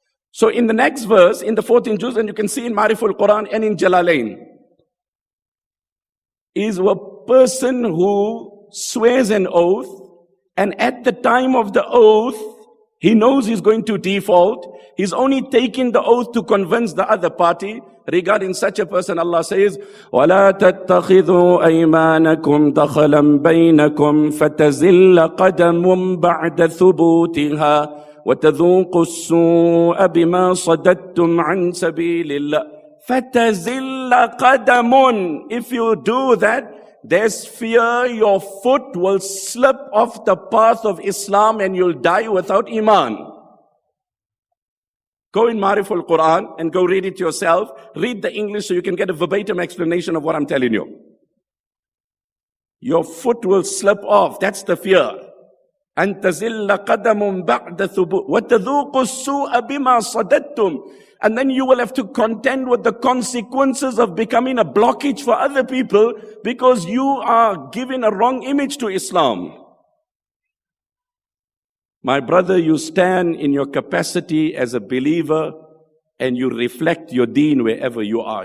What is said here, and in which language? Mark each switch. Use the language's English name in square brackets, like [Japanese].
[English] So in the next verse, in the 14 Juz, and you can see in Ma'riful Quran and in Jalalain, is a person who swears an oath, and at the time of the oath, he knows he's going to default. He's only taking the oath to convince the other party. Regarding such a person, Allah says, [Arabic] وَلَا تَتَّخِذُوا أَيْمَانَكُمْ دَخَلًا بَيْنَكُمْ فَتَزِلَّ قَدَمٌ بَعْدَ ثُبُوتِهَا وَتَذُوقُ السُّوءَ بِمَا صَدَدْتُمْ عَنْ سَبِيلِ اللَّهِ فَتَزِلَّ قَدَمٌ. [English] If you do that, there's fear your foot will slip off the path of Islam and you'll die without iman. Go in Ma'riful Quran and go read it yourself. Read the English so you can get a verbatim explanation of what I'm telling you. Your foot will slip off. That's the fear. [Arabic] أن تزل قدم بعد ثبوت وتذوق السوء بما صددتم. [English] And then you will have to contend with the consequences of becoming a blockage for other people because you are giving a wrong image to Islam. My brother, you stand in your capacity as a believer and you reflect your deen wherever you are.